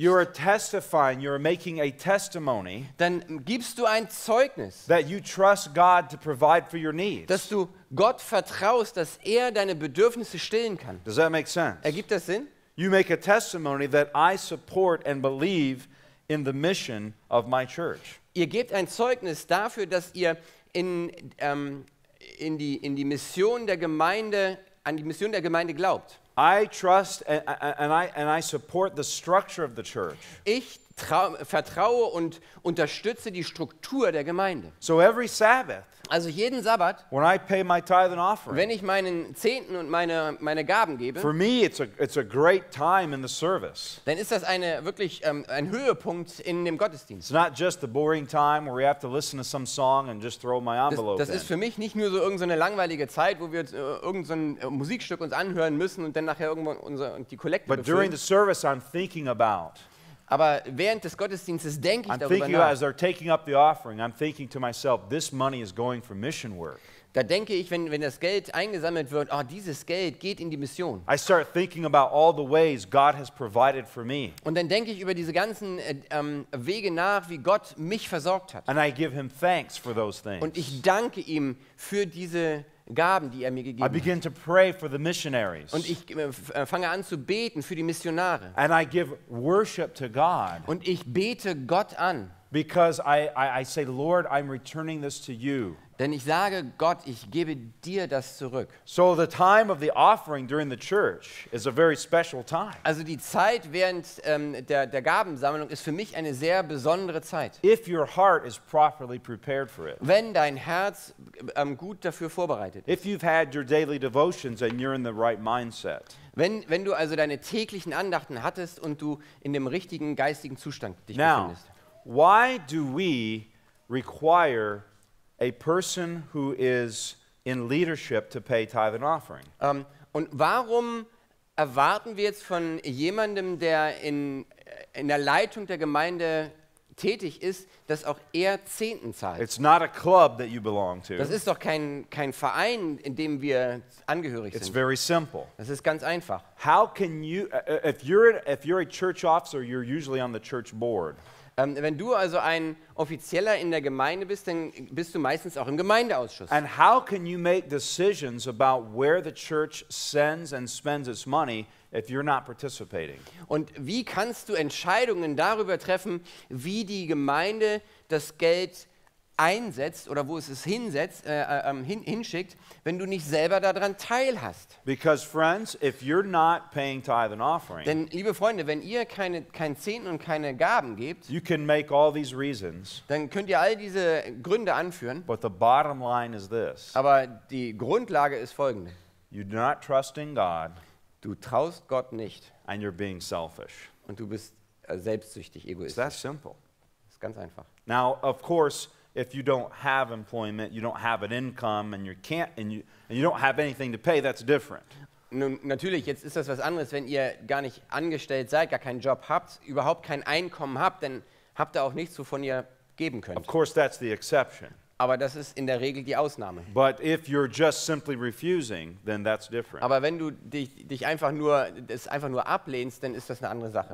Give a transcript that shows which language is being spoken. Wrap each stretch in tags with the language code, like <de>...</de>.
<en>you are testifying, you are making a testimony,</en> <de>dann gibst du ein Zeugnis,</de> <en>that you trust God to provide for your needs,</en> <de>dass du Gott vertraust, dass er deine Bedürfnisse stillen kann.</de> <en>Does that make sense?</en> <de>Ergibt das Sinn?</de> <en>You make a testimony that I support and believe in the mission of my church.</en> <de>Ihr gebt ein Zeugnis dafür, dass ihr in die Mission der Gemeinde an die Mission der Gemeinde glaubt.</de> <en>I trust and I support the structure of the church.</en> <de>Ich vertraue und unterstütze die Struktur der Gemeinde.</de> <en>So every Sabbath,</en> <de>also jeden Sabbat,</de> <en>when I pay my tithe and offering,</en> <de>wenn ich meinen Zehnten und meine Gaben gebe,</de> <en>for me it's a great time in the service.</en> <de>Dann ist das eine wirklich ein Höhepunkt in dem Gottesdienst.</de> <en>It's not just a boring time where we have to listen to some song and just throw my envelope.</en> <de>Das ist für mich nicht nur so irgendeine langweilige Zeit, wo wir irgendein Musikstück uns anhören müssen und dann nachher irgendwo die Kollekte befüllen.</de> <en>But during the service, I'm thinking about.</en> <de>Aber während des Gottesdienstes denke ich darüber nach.</de> <en>As they're taking up the offering, I'm thinking to myself, this money is going for mission work.</en> <de>Da denke ich, wenn das Geld eingesammelt wird, oh, dieses Geld geht in die Mission.</de> <en>I start thinking about all the ways God has provided for me.</en> <de>Und dann denke ich über diese ganzen Wege nach, wie Gott mich versorgt hat.</de> <en>And I give him thanks for those things.</en> <de>Und ich danke ihm für diese Gaben, die er mir gegeben hat.</de> <en>I begin to pray for the missionaries.</en> <de>Und ich fange an zu beten für die Missionare.</de> <en>And I give worship to God.</en> <de>Und ich bete Gott an.</de> <en>Because I say, Lord, I'm returning this to you.</en> <de>Denn ich sage, Gott, ich gebe dir das zurück.</de> <en>So the time of the offering during the church is a very special time.</en> <de>Also die Zeit während der Gabensammlung ist für mich eine sehr besondere Zeit.</de> <en>If your heart is properly prepared for it.</en> <de>Wenn dein Herz gut dafür vorbereitet ist.</de> <en>If you've had your daily devotions and you're in the right mindset.</en> <de>Wenn du also deine täglichen Andachten hattest und du in dem richtigen geistigen Zustand dich befindest.</de> <en>Why do we require a person who is in leadership to pay tithe and offering?</en> <de>Und warum erwarten wir jetzt von jemandem, der in der Leitung der Gemeinde tätig ist, dass auch er Zehnten zahlt?</de> <en>It's not a club that you belong to.</en> <de>Das ist doch kein Verein, in dem wir angehörig</de> <en>It's</en> <de>sind.</de> <en>Very simple.</en> <de>Das ist ganz einfach.</de> <en>How can you, if you're a church officer, you're usually on the church board.</en> <de>Wenn du also ein Offizieller in der Gemeinde bist, dann bist du meistens auch im Gemeindeausschuss.</de> <en>And how can you make decisions about where the church sends and spends its money if you're not participating?</en> <de>Und wie kannst du Entscheidungen darüber treffen, wie die Gemeinde das Geld einsetzt oder wo es es hinsetzt, hinschickt, wenn du nicht selber daran teilhast?</de> <en>Because friends, if you're not paying tithe and offering,</en> <de>denn liebe Freunde, wenn ihr kein Zehnten und keine Gaben gebt,</de> <en>you can make all these reasons,</en> <de>dann könnt ihr all diese Gründe anführen.</de> <en>But the bottom line is this.</en> <de>Aber die Grundlage ist folgende:</de> <en>You do not trust in God,</en> <de>du traust Gott nicht,</de> <en>and you're being selfish.</en> <de>Und du bist selbstsüchtig, egoistisch.</de> <en>It's that simple.</en> <de>Das ist ganz einfach.</de> <en>Now, of course, if you don't have employment, you don't have an income, and you can't, and you don't have anything to pay, that's different.</en> <de>Nun, natürlich, jetzt ist das was anderes, wenn ihr gar nicht angestellt seid, gar keinen Job habt, überhaupt kein Einkommen habt, dann habt ihr auch nichts, wovon ihr geben könnt.</de> <en>Of course, that's the exception.</en> <de>Aber das ist in der Regel die Ausnahme.</de> <en>But if you're just simply refusing, then that's different.</en> <de>Aber wenn du dich einfach nur das einfach nur ablehnst, dann ist das eine andere Sache.</de>